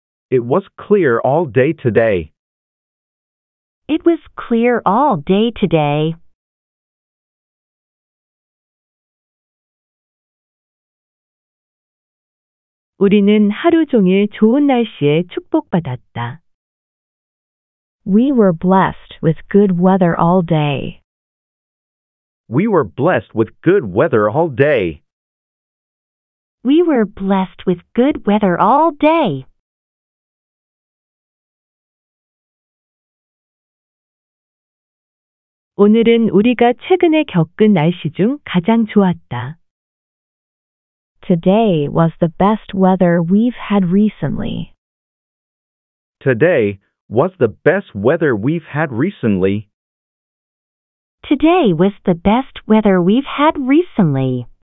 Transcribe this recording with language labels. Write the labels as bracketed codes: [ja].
[en] It was clear all day today. It was clear all day today. [ko] 우리는 하루 종일 좋은 날씨에 축복받았다. [en] We were blessed with good weather all day. We were blessed with good weather all day. We were blessed with good weather all day. [ko] 오늘은 우리가 최근에 겪은 날씨 중 가장 좋았다. [en] Today was the best weather we've had recently. Today was the best weather we've had recently. Today was the best weather we've had recently.